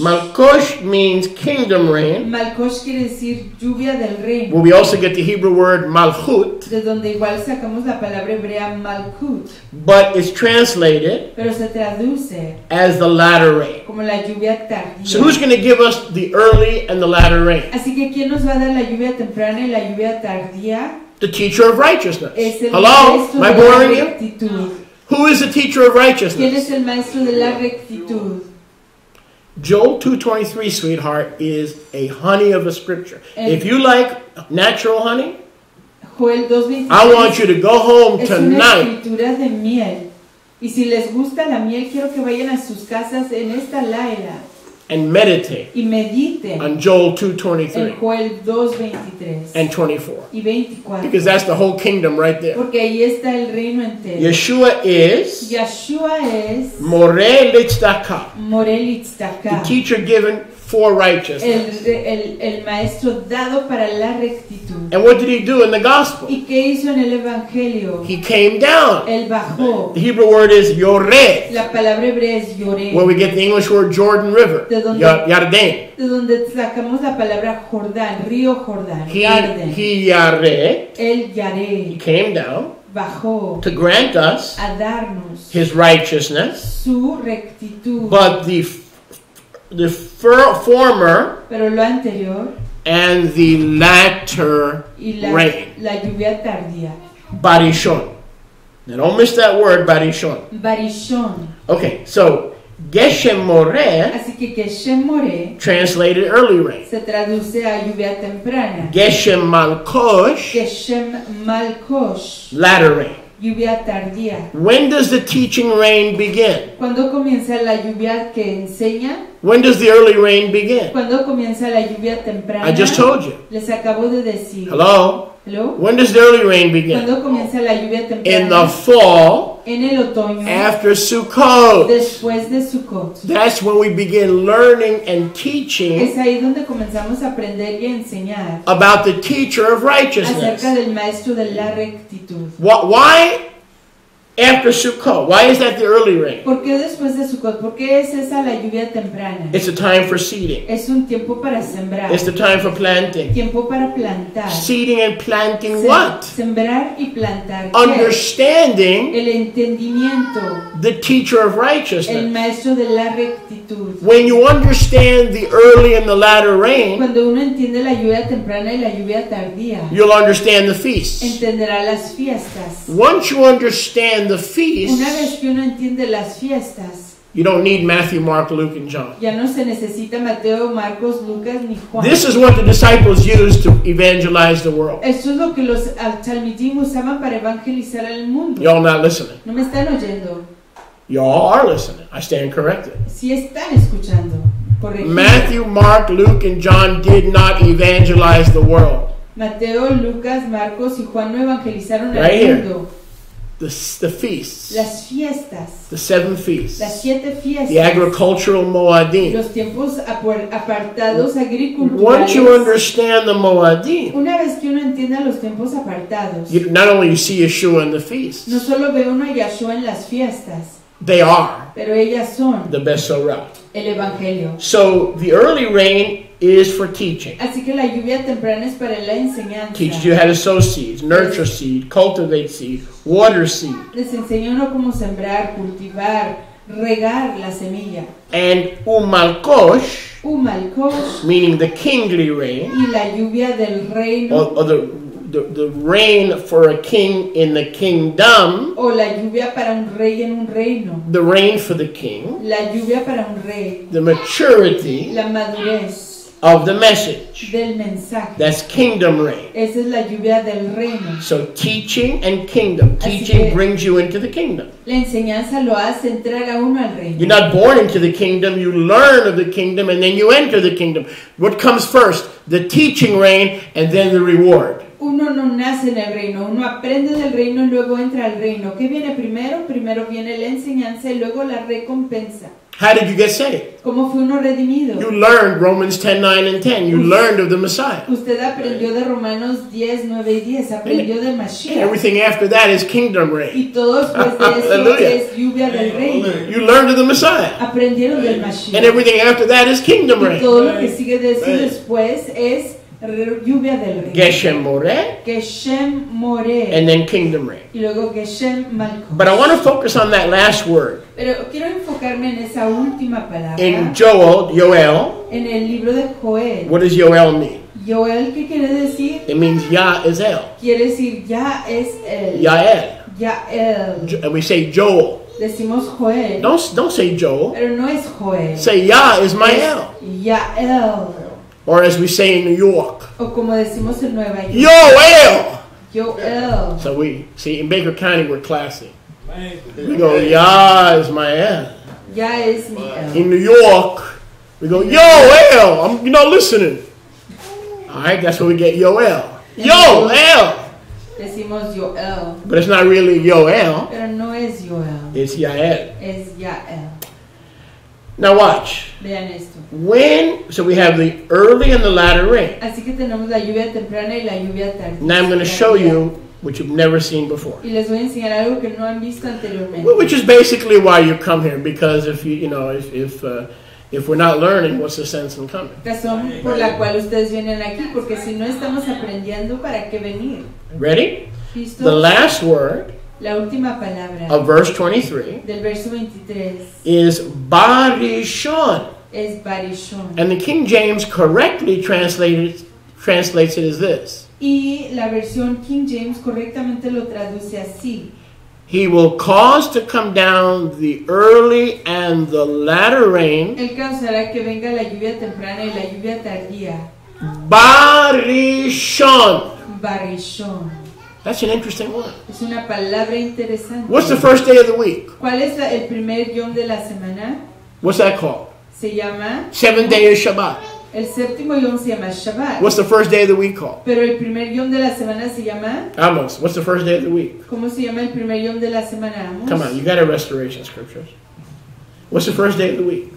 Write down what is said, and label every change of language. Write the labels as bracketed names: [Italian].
[English] Malkosh means kingdom rain. [Spanish] Malkosh quiere decir lluvia del reino. [English] Well, we also get the Hebrew word malchut, [Spanish] de donde igual sacamos la palabra hebrea malchut, [English] but it's translated, [Spanish] pero se traduce, [English] as the latter rain. [Spanish] Como la lluvia tardía. [English] So who's going to give us the early and the latter rain? [Spanish] Así que ¿quién nos va a dar la lluvia temprana y la lluvia tardía? [English] The teacher of righteousness. [Spanish] Es el [English] Hello? [Spanish] Maestro [English] Am I boring you? Who is the teacher of righteousness? [Spanish] ¿Quién es el maestro de la rectitud? [English] Joel 2:23, sweetheart, is a honey of a scripture. If you like natural honey, Joel 2:23, I want you to go home [Spanish] es [English] tonight. [Spanish] Una escritura de miel. Y si les gusta la miel, quiero que vayan a sus casas en esta laila. [English] and meditate [Spanish] y medite [English] on Joel 2:23 [Spanish] Joel 2:23 [English] and 24. [Spanish] Y 24. [English] Because that's the whole kingdom right there. [Spanish] Porque ahí está el reino entero. [English] Yeshua is [Hebrew] More Litzdaka. More Litzdaka. [English] The teacher given for righteousness. [Spanish] El maestro dado para la rectitud. [English] And what did he do in the gospel? [Spanish] ¿Y qué hizo en el evangelio? [English] He came down. [Spanish] El bajó. [English] The Hebrew word is yored. [Spanish] La palabra hebrea es yored. [English] Where we get the English word Jordan River. [Hebrew] Yarden. [Spanish] De donde sacamos la palabra Jordán, río Jordán. [English] He yared. [Spanish] El yare. [English] He came down. [Spanish] Bajó. [English] To grant us. [Spanish] A darnos. [English] His righteousness. [Spanish] Su rectitud. [English] But the former [Spanish] pero lo anterior, [English] and the latter rain. [Spanish] La lluvia tardía. [Hebrew] Barishon. [English] Now don't miss that word, Barishon. [Hebrew] Barishon. [English] Okay, so Geshem More, [Spanish] así que Geshem More [English] translated early rain. [Spanish] Se traduce a lluvia temprana. [Hebrew] Geshem Malkosh. Geshem Malkosh. [English] Latter rain. [Spanish] Lluvia tardía. [English] When does the teaching rain begin? [Spanish] ¿Cuándo comienza la lluvia que enseña? [English] When does the early rain begin? [Spanish] ¿Cuándo comienza la lluvia temprana? [English] I just told you. [Spanish] Les acabo de decir. [English] Hello? Hello? When does the early rain begin? [Spanish] ¿Cuándo comienza la lluvia temprana? [English] In the fall. [Spanish] En el otoño. [English] After Sukkot. [Spanish] Después de Sukkot. [English] That's when we begin learning and teaching. [Spanish] Es ahí donde comenzamos a aprender y a enseñar. [English] About the teacher of righteousness. [Spanish] Acerca del maestro de la rectitud. [English] Why? After Sukkot, why is that the early rain? [Spanish] ¿Por qué después de Sukkot? ¿Por qué es esa la lluvia temprana? [English] It's a time for seeding. [Spanish] Es un tiempo para sembrar. [English] It's the time for planting. [Spanish] Tiempo para plantar. [English] Seeding and planting what? [Spanish] Sembrar y plantar. [English] Understanding. [Spanish] El entendimiento. [English] The teacher of righteousness. [Spanish] El maestro de la rectitud. [English] When you understand the early and the latter rain. [Spanish] Cuando uno entiende la lluvia temprana y la lluvia tardía. [English] You'll understand the feasts. [Spanish] Entenderá las fiestas. [English] Once you understand the feast, [Spanish] una vez que uno entiende las fiestas, [English] you don't need Matthew, Mark, Luke, and John. [Spanish] Ya no se necesita Mateo, Marcos, Lucas, ni Juan. [English] This is what the disciples used to evangelize the world. [Spanish] Esto es lo que los talmidim usaban para evangelizar al mundo. [English] Y'all not listening. [Spanish] No me están oyendo. [English] Y'all are listening. I stand corrected. [Spanish] Sí están escuchando. Corregido. [English] Matthew, Mark, Luke, and John did not evangelize the world. [Spanish] Mateo, Lucas, Marcos, y Juan no evangelizaron [English] right [Spanish] al [English] here. [Spanish] Mundo. [English] The feasts. [Spanish] Las fiestas. [English] The seven feasts. [Spanish] Las siete fiestas. [English] The agricultural moadim. [Spanish] Los tiempos apartados agriculturales. [English] Once you understand the moadim. [Spanish] Una vez que uno entienda los tiempos apartados. [English] You, not only you see Yeshua in the feasts. [Spanish] No solo ve uno a Yeshua en las fiestas. [English] They are. [Spanish] Pero ellas son. [English] The Besorah. [Spanish] El Evangelio. [English] So the early rain is for teaching. [Spanish] Así que la lluvia temprana es para la enseñanza. [English] Teaches you how to sow seeds, nurture seed, cultivate seed, water seed. [Spanish] Les enseña uno cómo sembrar, cultivar, regar la semilla. [English] And umalkosh. [Hebrew] Umalkosh. [English] Meaning the kingly rain. [Spanish] Y la lluvia del reino. [English] Or the rain for a king in the kingdom. [Spanish] O la lluvia para un rey en un reino. [English] The rain for the king. [Spanish] La lluvia para un rey. [English] The maturity. [Spanish] La madurez. [English] Of the message. [Spanish] Del mensaje. [English] That's kingdom rain. [Spanish] Esa es la lluvia del reino. [English] So teaching and kingdom. Teaching brings you into the kingdom. [Spanish] La enseñanza lo hace entrar a uno al reino. [English] You're not born into the kingdom. You learn of the kingdom and then you enter the kingdom. What comes first? The teaching rain and then the reward. [Spanish] Uno no nace en el reino. Uno aprende del reino y luego entra al reino. ¿Qué viene primero? Primero viene la enseñanza y luego la recompensa. [English] How did you get saved? [Spanish] ¿Cómo fue uno redimido? [English] You learned Romans 10, 9, and 10. You learned of the Messiah. [Spanish] Usted aprendió de Romanos 10, 9 y 10. Aprendió del Mashiach. [English] And everything after that is kingdom rain. [Spanish] Y todo después de eso es lluvia del reino. [English] You learned of the Messiah. [Spanish] Aprendieron del Mashiach. [English] And everything after that is kingdom rain. [Spanish] Y todo lo que sigue de eso después es lluvia del reino. [Hebrew] Geshem More. Geshem More. [English] And then kingdom rain. [Spanish] Y luego Geshem Malkosh. [English] But I want to focus on that last word. [Spanish] Pero quiero enfocarme en esa última palabra. [English] In Joel. [Spanish] En el libro de Joel. [English] What does Joel mean? [Spanish] Joel, ¿qué quiere decir? [English] It means Yah is El. [Spanish] Quiere decir Yah es El. [Hebrew] Yael. Yael. [English] And we say Joel. [Spanish] Decimos Joel. [English] Don't say Joel. [Spanish] Pero no es Joel. [English] Say Yah is my El. [Hebrew] Yael. [English] Or as we say in New York. [Spanish] O como decimos en Nueva York. [Hebrew] Yoel. Yoel. [English] So we see in Baker County we're classy. We go, Yah is my El. Yah is my El. In New York, We go, Yoel, I'm not listening. All right, that's what we get, Yoel. [Hebrew] Yoel. [Spanish] Decimos Yoel. [English] But it's not really Yoel. [Spanish] Pero no es Yoel. [English] It's Yael. [Spanish] Es Yael. [English] Now watch. [Spanish] Vean esto. [English] When, so we have the early and the latter rain. [Spanish] Así que tenemos la lluvia temprana y la lluvia tardía. [English] Now I'm going to show you what you've never seen before. [Spanish] Y les voy a enseñar algo que no han visto anteriormente. [English] Well, which is basically why you come here, because if you, you know, if we're not learning, what's the sense in coming? [Spanish] Razón por la cual ustedes vienen aquí, porque si no estamos aprendiendo, ¿para qué venir? [English] Ready? [Spanish] ¿Listo? [English] The last word. [Spanish] La última palabra. [English] Of verse 23. [Spanish] Del verso 23. [English] Is barishon. [Spanish] Es barishon. [English] And the King James correctly translates it as this. [Spanish] Y la versión King James correctamente lo traduce así. [English] He will cause to come down the early and the latter rain. [Spanish] Él causará que venga la lluvia temprana y la lluvia tardía. [Hebrew] Barishon. Barishon. [English] That's an interesting word. [Spanish] Es una palabra interesante. [English] What's the first day of the week? [Spanish] ¿Cuál es el primer yom de la semana? [English] What's that called? [Spanish] Se llama. [English] Seventh day is Shabbat. [Spanish] El séptimo yom se llama Shabbat. [English] What's the first day of the week called? [Spanish] Pero el primer yom de la semana se llama. [English] Amos. What's the first day of the week? [Spanish] ¿Cómo se llama el primer yom de la semana, Amos? [English] Come on, you got a restoration scriptures. What's the first day of the week?